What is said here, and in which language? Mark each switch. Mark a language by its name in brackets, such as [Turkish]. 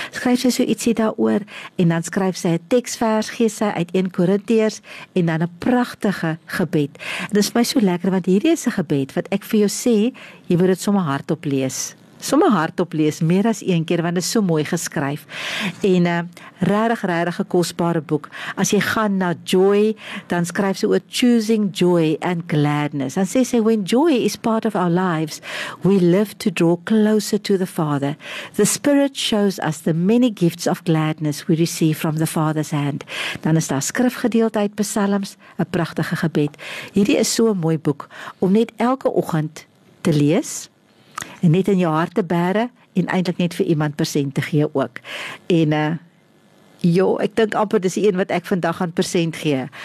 [Afrikaans] Skryf sy so ietsie daar oor, en dan skryf sy 'n teksvers, gee sy uit 1 Korintiërs, en dan 'n prachtige gebed. En dit is my so lekker, want hierdie is 'n gebed, wat ek vir jou sê, jy moet dit sommer hardop lees. Meer as 1 keer, want dit is so mooi geskryf. En regtig 'n kosbare boek. As jy gaan na joy, dan skryf sy oor [English] choosing joy and gladness. [Afrikaans] Dan sê sy, [English] when joy is part of our lives, we live to draw closer to the Father. The Spirit shows us the many gifts of gladness we receive from the Father's hand. [Afrikaans] Dan is daar skrifgedeeltheid, psalms, 'n pragtige gebed. Hierdie is so 'n mooi boek, om net elke oggend te lees, en net in jou hart te bære en eintlik net vir iemand persent te gee ook. En ek dink amper dis die een wat ek vandag gaan persent gee.